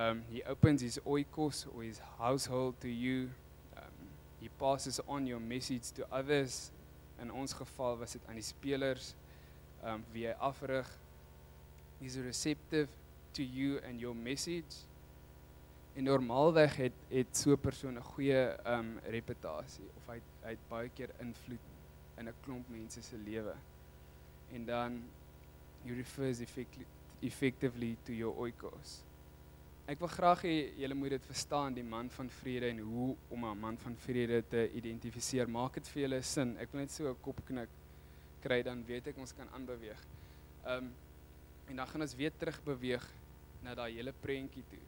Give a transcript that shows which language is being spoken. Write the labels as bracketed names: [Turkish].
[English] He opens his oikos or his household to you. He passes on your message to others. [Afrikaans] In ons geval was dit aan die spelers, wie hy afrig. [English] He's receptive to you and your message. [Afrikaans] En normaalweg het so 'n persoon 'n goeie reputasie, of hy het baie keer invloed in 'n klomp mense se lewe. En dan, [English] he refers effectively to your oikos. [Afrikaans] Ek wil graag hê julle moet dit verstaan, die man van vrede en hoe om 'n man van vrede te identifiseer. Maak dit vir julle sin? Ek wil net so 'n kopknik kry, dan weet ek ons kan aanbeweeg. En dan gaan ons weer terug beweeg na daai hele prentjie toe.